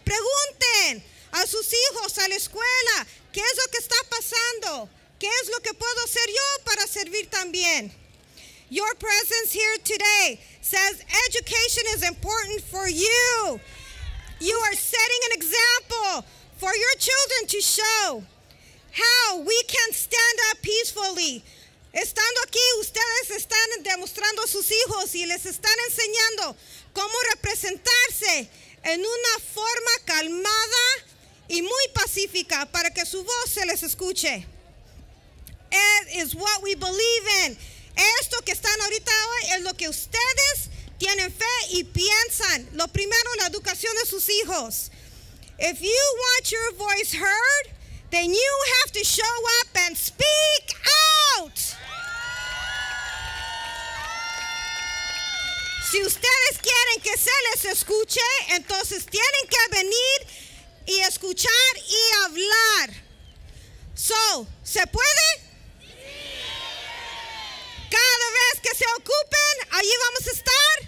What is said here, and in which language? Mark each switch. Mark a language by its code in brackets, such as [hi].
[es] Pregunten a sus hijos, a la escuela, ¿qué es lo que está pasando? ¿Qué es lo que puedo hacer yo para servir también? [en] Your presence here today says education is important for you. You are setting an example for your children to show how we can stand up peacefully. [es] Estando aquí, ustedes están demostrando a sus hijos y les están enseñando cómo representarse en una forma calmada y muy pacífica para que su voz se les escuche. [en] It is what we believe in. [es] Esto que están ahorita hoy es lo que ustedes tienen fe y piensan. Lo primero, la educación de sus hijos. [en] If you want your voice heard, then you have to show up and speak out. [es] Si ustedes quieren que se les escuche, entonces tienen que venir y escuchar y hablar. So, ¿se puede? Cada vez que se ocupen, ¿allí vamos a estar?